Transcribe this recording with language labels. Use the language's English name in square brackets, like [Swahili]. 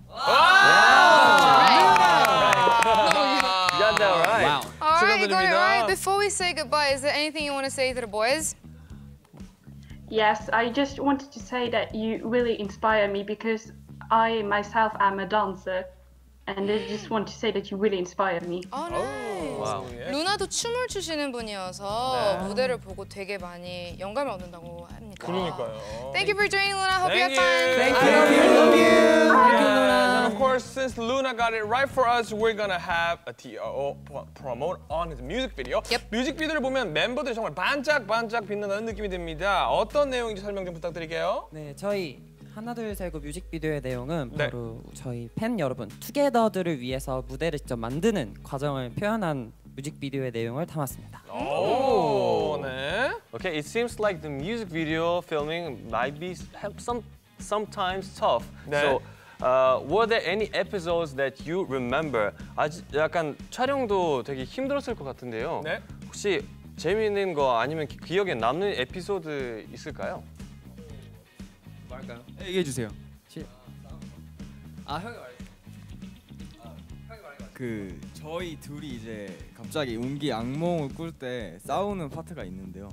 [English] You got that right. Wow. All right, you got it right. Before we say goodbye, is there anything you want to say to the boys? Yes, I just wanted to say that you really inspire me because I myself am a dancer and I just want to say that you really inspire me. Oh, nice. Wow. Yeah. [Korean] 루나도 춤을 추시는 분이어서 네. 무대를 보고 되게 많이 영감을 얻는다고 합니까? 그러니까요. [English] Thank you for joining, Luna. Hope you have fun. Thank you. Love you. Love you. Thank you, Luna. And of course, since Luna got it right for us, we're gonna have a T.O.O. promote on his music video. Yep. [Korean] 뮤직비디오를 보면 멤버들 정말 반짝반짝 빛나는 느낌이 듭니다. 어떤 내용인지 설명 좀 부탁드릴게요. 네, 저희 하나 둘 세고 뮤직비디오의 내용은 네. 바로 저희 팬 여러분 투게더들을 위해서 무대를 직접 만드는 과정을 표현한 뮤직비디오의 내용을 담았습니다. 오네. [English] Okay, it seems like the music video filming might be sometimes tough. 네. So, were there any episodes that you remember? [Korean] 아직 약간 촬영도 되게 힘들었을 것 같은데요. 네. 혹시 재미있는 거 아니면 기억에 남는 에피소드 있을까요? 할까요? 얘기해 주세요. 아 형이 말해. 그 저희 둘이 이제 갑자기 운기 악몽을 꿀 때 싸우는 파트가 있는데요.